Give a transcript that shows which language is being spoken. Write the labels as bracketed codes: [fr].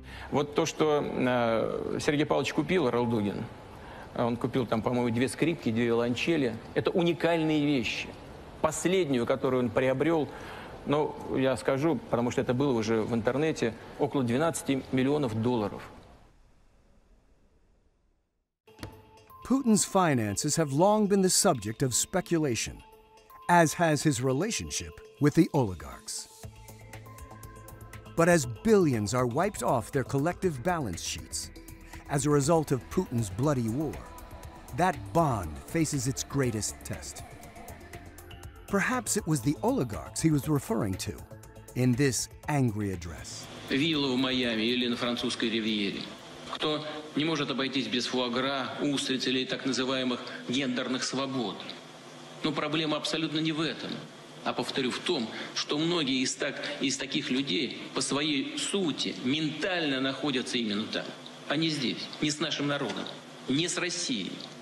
[ru] Вот то, что Сергей Павлович купил Роел Дугин. Он купил там, по-моему, две скрипки, две виолончели. Это уникальные вещи. Последнюю, которую он приобрел, ну, я скажу, потому что это было уже в интернете, около 12 миллионов долларов. [en] Putin's finances have long been the subject of speculation, as has his relationship with the oligarchs. But as billions are wiped off their collective balance sheets as a result of Putin's bloody war, that bond faces its greatest test. Perhaps it was the oligarchs he was referring to in this angry address. [ru] Вилла в Майами или на французской ривьере. Кто не может обойтись без фуагра, устриц или так называемых гендерных свобод. Но проблема абсолютно не в этом. А повторю в том, что многие из таких людей по своей сути ментально находятся именно там, а не здесь, не с нашим народом, не с Россией.